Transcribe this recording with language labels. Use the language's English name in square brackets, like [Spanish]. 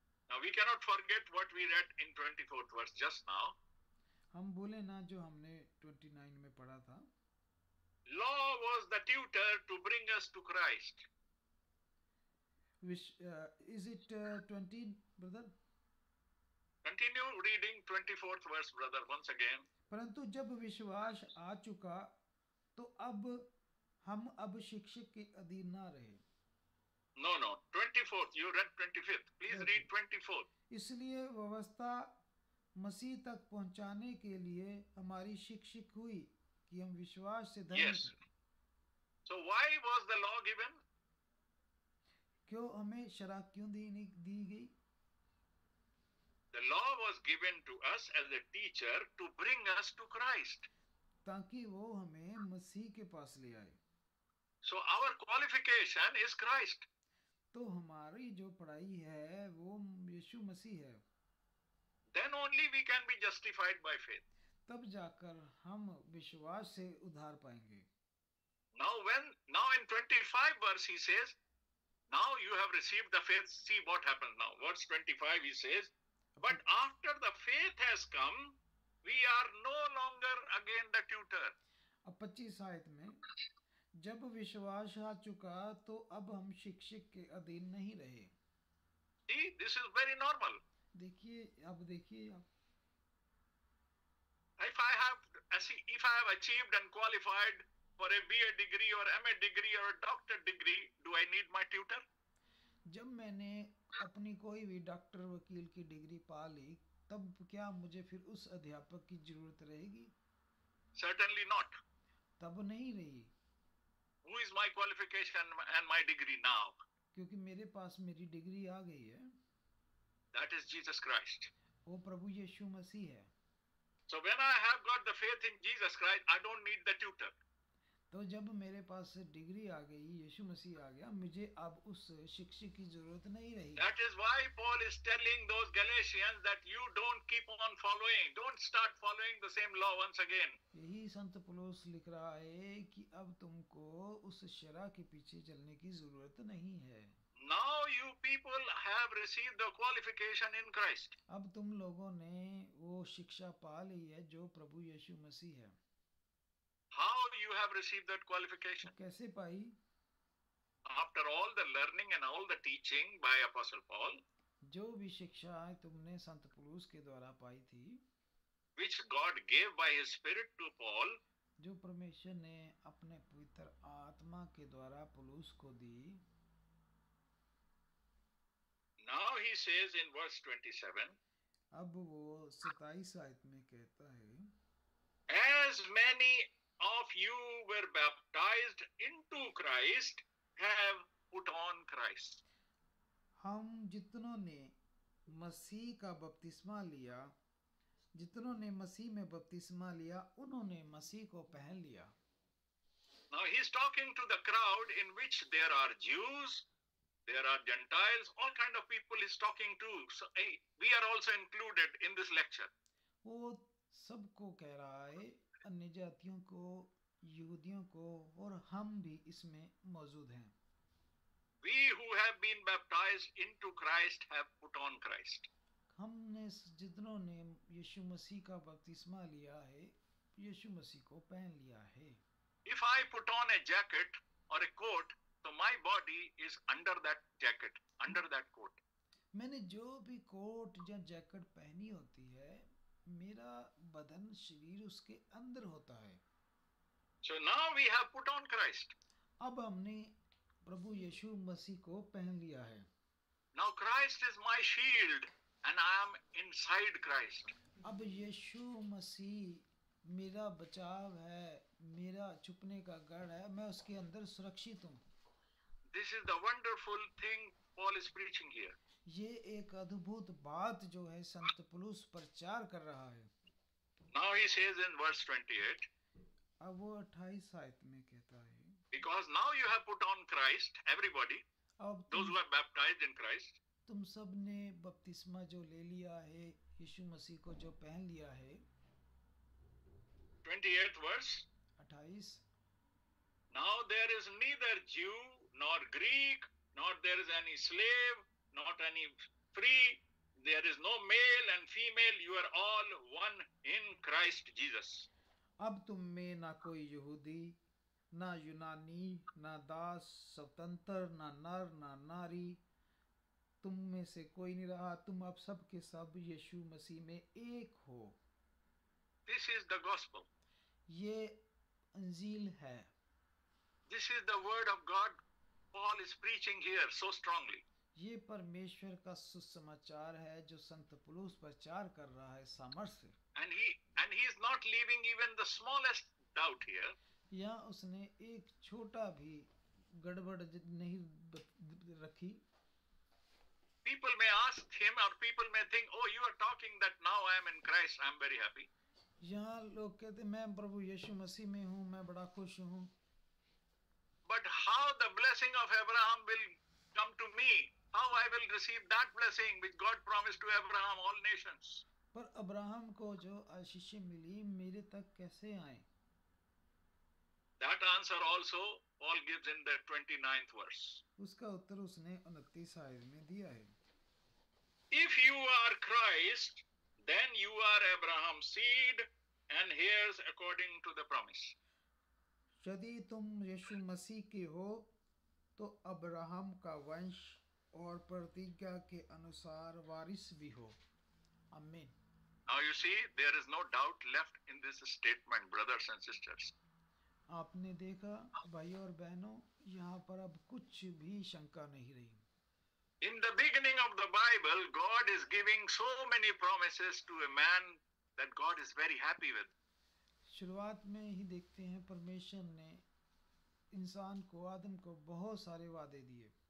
[English] Now we cannot forget what we read in 24th verse just now. [Hindi] हम भूले ना जो हमने 29 में पढ़ा था. [English] Law was the tutor to bring us to Christ. Which is it 20, brother? Continue reading 24th verse, brother, once again. [Hindi] परंतु जब विश्वास आ चुका तो अब हम अब शिक्षक के अधीन ना रहे. [English] No no 24th, you read 25th, please read 24th. [Hindi] इसलिए व्यवस्था मसीह तक पहुंचाने के लिए हमारी शिक्षक हुई कि हम विश्वास से धन्य. [English] Yes, so why was the law given? [Hindi] क्यों हमें शरा क्यों दी गई? [English] The law was given to us as a teacher to bring us to Christ. [Hindi] ताकि वो हमें मसीह के पास ले आए. [English] So our qualification is Christ. [Hindi] तो हमारी जो पढ़ाई है वो यीशु मसीह है. [English] Then only we can be justified by faith. [Hindi] तब जाकर हम विश्वास से उधार पाएंगे. [English] Now in 25 verse he says, now you have received the faith. See what happens now. Verse 25 he says. But after the faith has come, we are no longer again the tutor. [Hindi] अब 25 आयत में जब विश्वास आ चुका तो अब हम शिक्षक के अधीन नहीं रहे. [English] See, this is very normal. [Hindi] देखिए अब देखिए आप. [English] If I have achieved and qualified for a BA degree or MA degree or a doctor degree, do I need my tutor? [Hindi] जब मैंने अपनी कोई भी डॉक्टर वकील की डिग्री पा ली तब क्या मुझे फिर उस अध्यापक की जरूरत रहेगी? [English] Certainly not. [Hindi] तब नहीं रही. [English] Who is my qualification and my degree now? [Hindi] क्योंकि मेरे पास मेरी डिग्री आ गई है. [English] That is Jesus Christ. [Hindi] वो प्रभु यीशु मसीह है. [English] So when I have got the faith in Jesus Christ, I don't need the tutor. [Hindi] तो जब मेरे पास डिग्री आ गई, यीशु मसीह आ गया, मुझे अब उस शिक्षक की जरूरत नहीं रही. [English] That is why Paul is telling those Galatians that you don't keep on following, don't start following the same law once again. [Hindi] यही संत पौलुस लिख रहा है कि अब तुमको उस शरा के पीछे चलने की जरूरत नहीं है. [English] Now you people have received the qualification in Christ. [Hindi] अब तुम लोगों ने वो शिक्षा पा ली है जो प्रभु यीशु मसीह है. [English] How you have received that qualification? [Hindi] कैसे पाई? [English] After all the learning and all the teaching by Apostle Paul, [Hindi] जो भी शिक्षा तुमने संत पौलुस के द्वारा पाई थी, [English] which God gave by His Spirit to Paul, [Hindi] जो परमेश्वर ने अपने पवित्र आत्मा के द्वारा पौलुस को दी, [English] now he says in verse 27, [Hindi] अब वो 27 आयत में कहता है, [English] as many of you were baptized into Christ, have put on Christ. [Hindi] हम जितनों ने मसीह का बपतिस्मा लिया, जितनों ने मसीह में बपतिस्मा लिया, उन्होंने मसीह को पहन लिया. [English] Now he's talking to the crowd in which there are Jews, there are Gentiles, all kind of people he's talking to. So we are also included in this lecture. [Hindi] वो सबको कह रहा है अन्य जातियों को यहूदियों को और हम भी इसमें मौजूद हैं. [English] We who have been baptized into Christ have put on Christ. [Hindi] हमने जितनों ने यीशु मसीह का बपतिस्मा लिया है यीशु मसीह को पहन लिया है. [English] If I put on a jacket or a coat, so my body is under that jacket, under that coat. [Hindi] मैंने जो भी कोट या जैकेट पहनी होती है मेरा बदन शरीर उसके अंदर होता है. [English] So now we have put on Christ. [Hindi] अब हमने प्रभु यीशु मसीह को पहन लिया है. [English] Now Christ is my shield and I am inside Christ. [Hindi] अब यीशु मसीह मेरा बचाव है, मेरा छुपने का गढ़ है, मैं उसके अंदर सुरक्षित हूँ. [English] This is the wonderful thing Paul is preaching here. [Hindi] ये एक अद्भुत बात जो है संत पुलुस प्रचार कर रहा है. [English] Now he says in verse 28. [Hindi] अब वो 28 आयत में कहता है. [English] Because now you have put on Christ, everybody, those who are baptized in Christ. [Hindi] तुम सब ने बपतिस्मा जो ले लिया है, यीशु मसीह को जो पहन लिया है. [English] 28th verse. [Hindi] 28. [English] Now there is neither Jew nor Greek, nor there is any slave, not any free. There is no male and female. You are all one in Christ Jesus. [Hindi] अब तुम में ना कोई यहूदी, ना यूनानी, ना दास, स्वतंत्र, ना नर, ना नारी, तुम में से कोई नहीं रहा. तुम अब सब के सब यीशु मसीह में एक हो. [English] This is the gospel. [Hindi] ये अंजील है. [English] This is the word of God. Paul is preaching here so strongly. [Hindi] ये परमेश्वर का सुसमाचार है जो संत पुलुस प्रचार कर रहा है सामर्थ्य. [English] And he is not leaving even the smallest doubt here. [Hindi] या उसने एक छोटा भी गड़बड़ नहीं रखी. [English] People may ask him or people may think, oh, you are talking that now I am in Christ, I am very happy. [Hindi] यहाँ लोग कहते हैं मैं प्रभु यीशु मसीह में हूँ, मैं बड़ा खुश हूँ. [English] But how the blessing of Abraham will come to me? How I will receive that blessing which God promised to Abraham, all nations? [Hindi] पर अब्राहम को जो आशीष मिली मेरे तक कैसे आए? [English] That answer also Paul gives in the 29th verse. [Hindi] उसका उत्तर उसने 29 आयत में दिया है. [English] If you are Christ, then you are Abraham's seed and heirs according to the promise. [Hindi] यदि तुम यीशु मसीह के हो तो अब्राहम का वंश और प्रतिज्ञा के अनुसार वारिस भी हो. आमीन. [English] Now you see, there is no doubt left in this statement, brothers and sisters. [Hindi] आपने देखा भाइयों और बहनों, यहाँ पर अब कुछ भी शंका नहीं रही. [English] In the beginning of the Bible, God is giving so many promises to a man that God is very happy with. [Hindi] शुरुआत में ही देखते हैं परमेश्वर ने इंसान को, आदम को बहुत सारे वादे दिए.